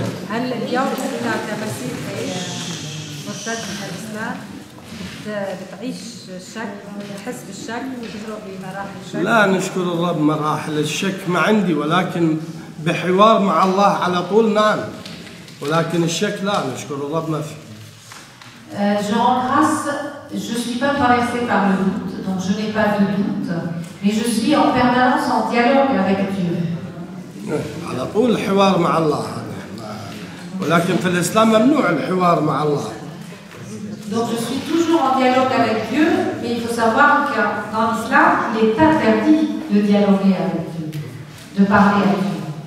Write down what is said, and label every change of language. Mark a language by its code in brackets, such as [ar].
[ar] هل اليوم انت كمسيحي مرتد من الاسلام بتعيش شك وتحس بالشك وتجرؤ بمراحل الشك؟ لا، نشكر الرب مراحل الشك ما عندي، ولكن بحوار مع الله على طول نعم، ولكن الشك لا، نشكر الرب ما في. [fr] Je grâce, je suis pas traversé par le doute, donc je n'ai pas de doute, mais je suis en permanence en dialogue avec Dieu. [ar] على طول الحوار مع الله، ولكن في الإسلام ممنوع الحوار مع الله. [fr] Donc je suis toujours en dialogue avec Dieu, mais il faut savoir que dans l'islam, il est interdit de dialoguer avec Dieu, de parler avec Dieu.